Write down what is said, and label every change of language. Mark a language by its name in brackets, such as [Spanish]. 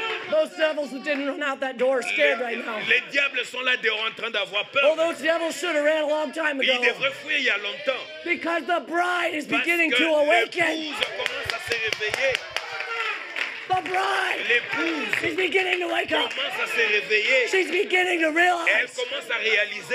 [English] Those devils who didn't run out that door are scared right now. [French] Les diables sont là dehors en train d'avoir peur. [English] Oh, those devils should have ran a long time ago. [French] Ils devraient fuir il y a longtemps. [English] Because the bride is [French] parce [English] beginning to awaken. [French] L'épouse commence à se réveiller. [English] The bride. [French] L'épouse. [English] She's beginning to wake up. [French] Commence à se réveiller. [English] She's beginning to realize. [French] Elle commence à réaliser.